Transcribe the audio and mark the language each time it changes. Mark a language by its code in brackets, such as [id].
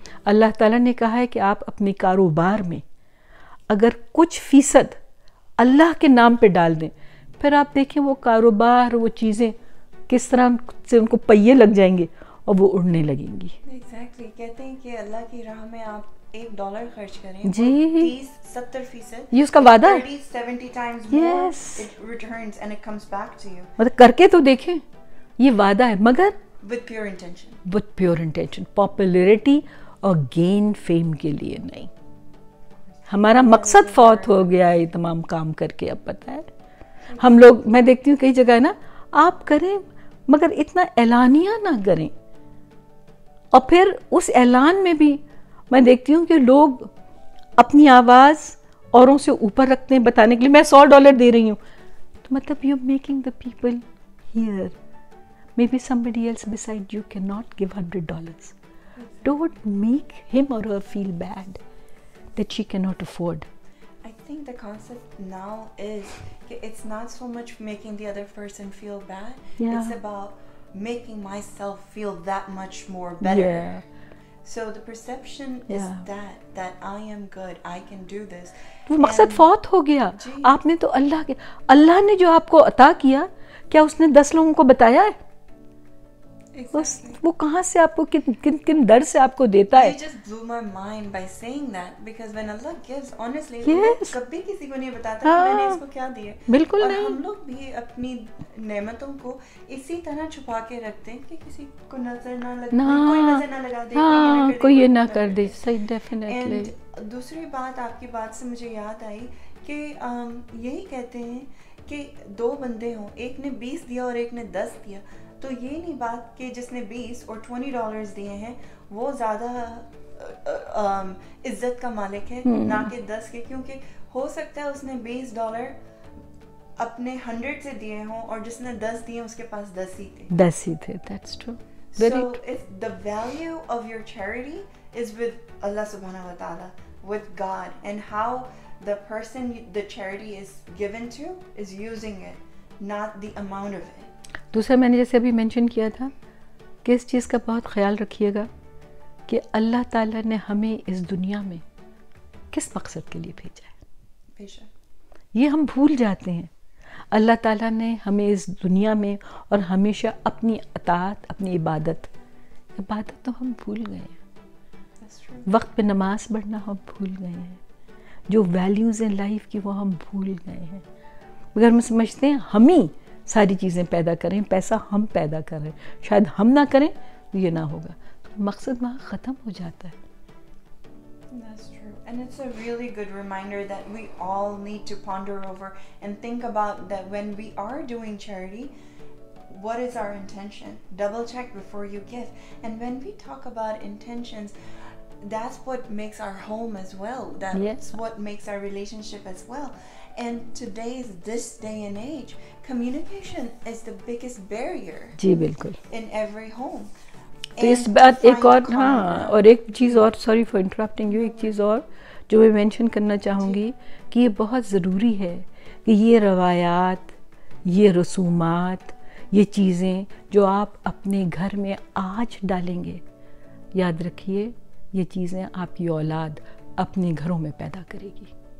[hi] अल्लाह ताला ने कहा है कि आप अपने कारोबार में अगर कुछ फीसद अल्लाह के नाम पे डाल दें, फिर आप देखें वो कारोबार वो चीज़ें किस तरह से उनको पहिए लग जाएंगे और वो उड़ने लगेंगी। एग्जैक्टली, कहते हैं कि अल्लाह की राह में आप एक डॉलर खर्च करें जी 30-70%, ये उसका वादा है, [en] 30-70 times yes. more, it returns and it comes back to you. [hi] मतलब करके तो देखें, ये वादा है, मगर [en] With pure intention, [hi] popularity और [en] gain fame [hi] के लिए नहीं। हमारा मकसद फौत हो गया है ये तमाम काम करके, अब पता है हम लोग, मैं देखती हूँ कई जगह है ना, आप करें मगर इतना ऐलानिया ना करें, और फिर उस ऐलान में भी मैं देखती हूँ कि लोग अपनी आवाज़ औरों से ऊपर रखते हैं बताने के लिए मैं $100 दे रही हूँ, तो मतलब [en] You are making the people here, maybe somebody else beside you can not give $100, don't make him or her feel bad that she cannot afford. I think the concept now is it's not so much making the other person feel bad, yeah. It's about making myself feel that much more better. Yeah. So the perception is that I am good, I can do this. [hi] वो मकसद फौत हो गया, आपने तो अल्लाह ने जो आपको अता किया क्या उसने 10 लोगों को बताया है? [en] Exactly. [hi] वो कहाँ से आपको किन दर से आपको देता है? [en] He just blew my mind by saying that because when Allah gives, honestly, yes. [hi] कभी किसी को नहीं बताता कि मैंने इसको क्या दिया। बिल्कुल और नहीं। हम लोग भी अपनी नेमतों को इसी तरह छुपा के रखते हैं कि किसी को नजर ना लगे, कोई ये ना कर दे। सही, definitely. And दूसरी बात, आपकी बात से मुझे याद आई कि यही कहते हैं कि दो बंदे हों, एक ने 20 दिया और एक ने 10 दिया, तो ये नहीं बात कि जिसने 20 और $20 दिए हैं वो ज़्यादा इज्जत का मालिक है ना कि 10 के, क्योंकि हो सकता है उसने $20 अपने 100 से दिए हों और जिसने 10 दिए उसके पास 10 ही थे, [en] that's true. So if the value of your charity is with Allah subhanahu wa ta'ala, with God, and how the person the charity is given to is using it, not the amount of it. [hi] Dusra maine jaise abhi mention kiya tha, kis cheez ka bahut khayal rakhiyega ki Allah Taala ne hame is duniya mein kis maqsad ke liye bheja hai. Ye hum bhool jate hain. Allah Taala ne hame is duniya mein aur hamesha apni ataat, apni ibadat. Ibadat to hum bhool gaye hain. वक्त पे नमाज पढ़ना हम भूल गए हैं. जो values हैं लाइफ की वो हम भूल गए हैं. मगर हम समझते हैं हम ही सारी चीज़ें पैदा करें, पैसा हम पैदा करें, शायद हम ना करें तो ये ना होगा. तो मकसद वहाँ ख़त्म हो जाता है. [en] That's true. And it's a really good reminder that we all need to ponder over and think about that when we are doing charity, what is our intention? Double check before you give. And when we talk about intentions, that's what makes our home as well. That's what makes our relationship as well. And today's this day and age, communication is the biggest barrier. [hi] जी बिल्कुल. [en] In every home. [hi] तो इस बात एक और हाँ और एक चीज और [en] sorry for interrupting you [hi] एक चीज और जो मैं mention करना चाहूँगी कि ये बहुत ज़रूरी है कि ये रवायात, ये रसूमात, ये चीज़ें जो आप अपने घर में आज डालेंगे, याद रखिए ये चीज़ें आपकी औलाद अपने घरों में पैदा करेगी.